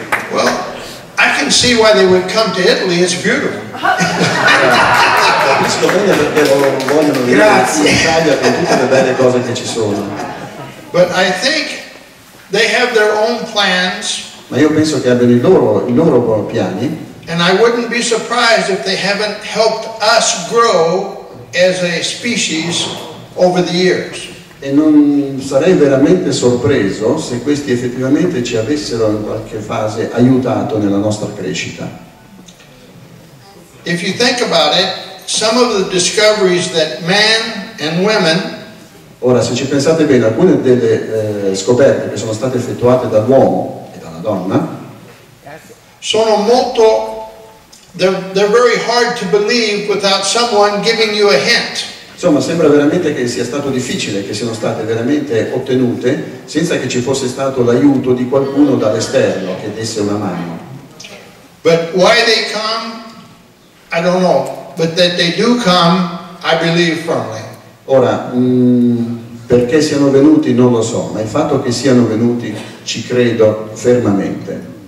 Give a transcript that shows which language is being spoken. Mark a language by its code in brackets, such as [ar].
[en] Well, I can see why they would come to Italy, it's beautiful. [it] Capisco bene perché vogliono venire in Italia con tutte le belle cose che ci sono. [en] But I think they have their own plans. [it] Ma io penso che abbiano i loro piani. [en] And I wouldn't be surprised if they haven't helped us grow as a species over the years. [it] E non sarei veramente sorpreso se questi effettivamente ci avessero in qualche fase aiutato nella nostra crescita. [en] If you think about it, some of the discoveries that men and women, [it] ora se ci pensate bene, alcune delle scoperte che sono state effettuate dall'uomo e dalla donna sono molto [en] they're very hard to believe without someone giving you a hint. [it] Insomma, sembra veramente che sia stato difficile, che siano state veramente ottenute senza che ci fosse stato l'aiuto di qualcuno dall'esterno che desse una mano. [en] But why they come, I don't know. But that they do come, I believe firmly. [it] Ora, perché siano venuti non lo so, ma il fatto che siano venuti ci credo fermamente.